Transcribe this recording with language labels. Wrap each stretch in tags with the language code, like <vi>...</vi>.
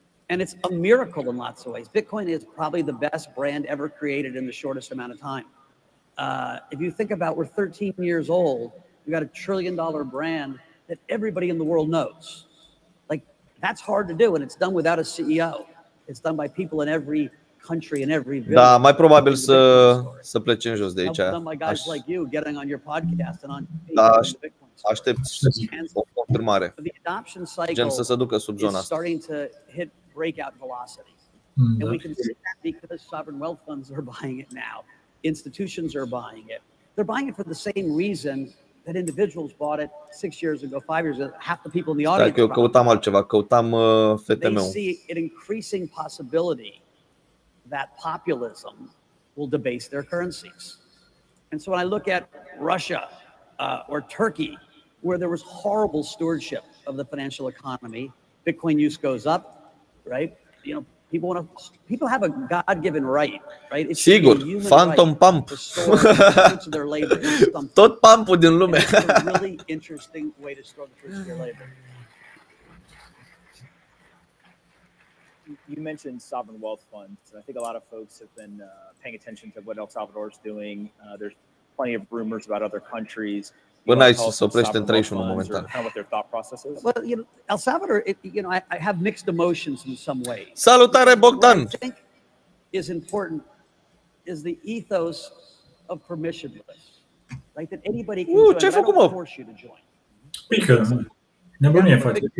<en>And it's a miracle in lots of ways. Bitcoin is probably the best brand ever created in the shortest amount of time. If you think about, we're 13 years old, we've got a $1 trillion brand that everybody in the world knows. Like, that's hard to do, and it's done without a CEO. It's done by people in every country and every</en> <ro>village. Da, mai probabil să plecem jos de aici.</ro> <en>Done by guys like you getting on your podcast and on</en> <ro>aștept o confirmare. Gen să se ducă sub zona</ro> <en>asta. Breakout velocity. And we can see that because sovereign wealth funds are buying it now. Institutions are buying it. They're buying it for the same reason that individuals bought it 6 years ago, 5 years ago. Half the people in the audience.</en> <ro>Stai, eu căutam altceva, căutam FTM-ul.</ro> <en>They see an increasing possibility that populism will debase their currencies. And so when I look at Russia or Turkey, where there was horrible stewardship of the financial economy, Bitcoin use goes up. Right, you know, people want to. People have a God-given right, right? It's sigur, a human phantom right pump. To their labor.</en> <ro>Tot pump-ul din lume.</ro> <en>A really interesting way to store the fruits of your labor. You mentioned sovereign wealth funds, and I think a lot of folks have been paying attention to what El Salvador is doing. There's plenty of rumors about other countries.</en> <ro>Până aici se oprește în 31 momentan.</ro> <en>Well, you know, El Salvador, you know, I have mixed emotions in some way.</en> <ro>Salutare Bogdan.</ro> <en>What I think is important is the ethos of permissionless. Like that anybody can join, I don't force you to join.</en> <ro>Pică. Nebunie face.</ro>